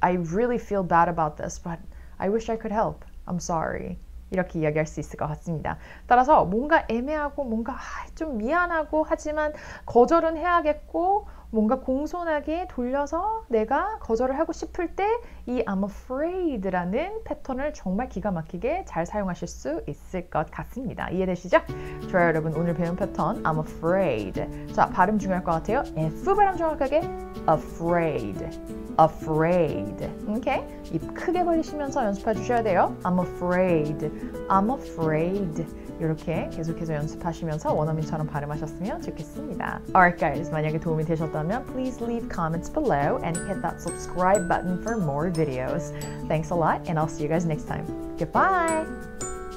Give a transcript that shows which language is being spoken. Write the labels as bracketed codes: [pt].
[en] I really feel bad about this, but I wish I could help. I'm sorry. [ko] 이렇게 이야기할 수 있을 것 같습니다. 따라서 뭔가 애매하고 뭔가 좀 미안하고 하지만 거절은 해야겠고 뭔가 공손하게 돌려서 내가 거절을 하고 싶을 때 이 I'm afraid라는 패턴을 정말 기가 막히게 잘 사용하실 수 있을 것 같습니다. 이해되시죠? 좋아요 여러분 오늘 배운 패턴 I'm afraid. 자 발음 중요할 것 같아요. [en] F [ko] 발음 정확하게 [en] afraid. Afraid. Okay? [ko] 입 크게 벌리시면서 연습해 주셔야 돼요. [en] I'm afraid. I'm afraid. [ko] 이렇게 계속해서 연습하시면서 원어민처럼 발음하셨으면 좋겠습니다. [en] Alright guys, [ko] 만약에 도움이 되셨다면 [en] please leave comments below and hit that subscribe button for more videos. Thanks a lot and I'll see you guys next time. Goodbye!